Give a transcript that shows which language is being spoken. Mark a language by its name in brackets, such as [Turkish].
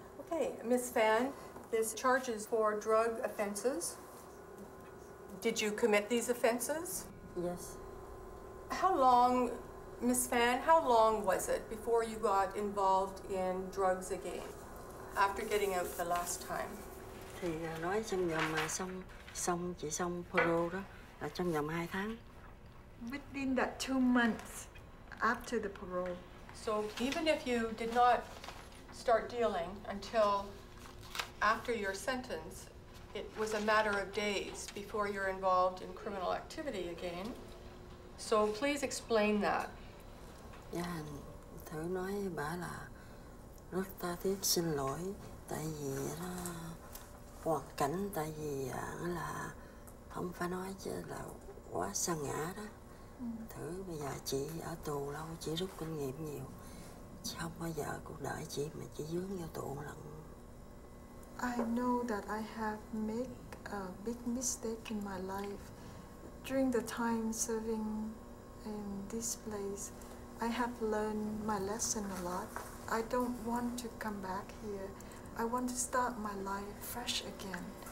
[English] Okay, Ms. Fan, this charge is for drug offenses. Did you commit these offenses? Yes. How long, Ms. Fan, how long was it before you got involved in drugs again, after getting out the last time? [Vietnamese] Thì nói trong vòng mà xong chỉ xong parole đó là trong vòng 2 tháng. [English] Within that 2 months after the parole. So even if you did not start dealing until after your sentence, it was a matter of days before you're involved in criminal activity again. So please explain that. [Vietnamese] Yeah, thử nói với bà là rất tha thiết xin lỗi tại vì nó hoàn cảnh tại vì là không phải nói chứ là quá sa ngã đó. Thử bây giờ chị ở tù lâu chị rút kinh nghiệm nhiều. Chị không bao giờ cuộc đời chị mà chị vướng vô tù một lần. [English] I know that I have made a big mistake in my life. During the time serving in this place, I have learned my lesson a lot. I don't want to come back here. I want to start my life fresh again.